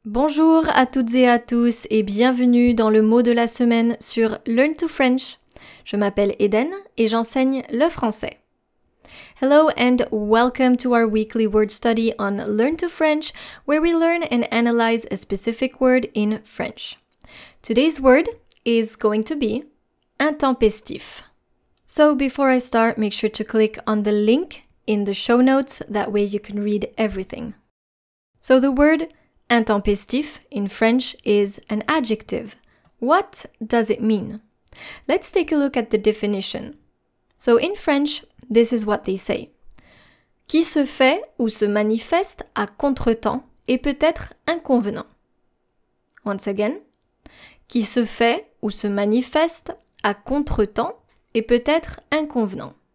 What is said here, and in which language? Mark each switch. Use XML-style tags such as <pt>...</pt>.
<fr>Bonjour à toutes et à tous et bienvenue dans le mot de la semaine sur Learn to French. Je m'appelle Eden et j'enseigne le français.</fr> <en>Hello and welcome to our weekly word study on Learn to French, where we learn and analyze a specific word in French. Today's word is going to be intempestif. So before I start, make sure to click on the link in the show notes, that way you can read everything. So the word intempestif in French is an adjective. What does it mean? Let's take a look at the definition. So in French, this is what they say.</en> <fr>Qui se fait ou se manifeste à contretemps et peut être inconvenant.</fr> <en>Once again.</en> <fr>Qui se fait ou se manifeste à contretemps et peut être inconvenant.</fr>